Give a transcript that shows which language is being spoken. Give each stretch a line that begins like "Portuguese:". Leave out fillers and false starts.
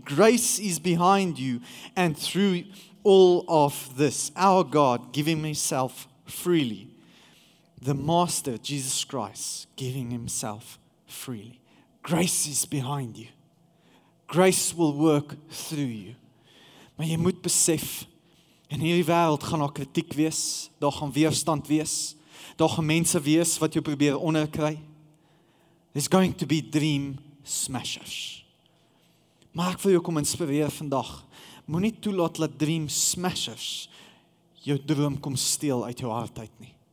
English: Grace is behind you and through all of this, our God giving Himself freely. The Master, Jesus Christ, giving Himself freely. Grace is behind you. Grace will work through you.
Afrikaans: Maar jy moet besef, in hierdie wêreld gaan daar kritiek wees, daar gaan weerstand wees, daar gaan mense wees wat jou probeer onderkry.
English: There's going to be dream smashers.
Afrikaans: Maar ek wil jou kom inspireer vandag. Moenie toelaat dat dream smashers jou droom kom steel uit jou hart uit nie.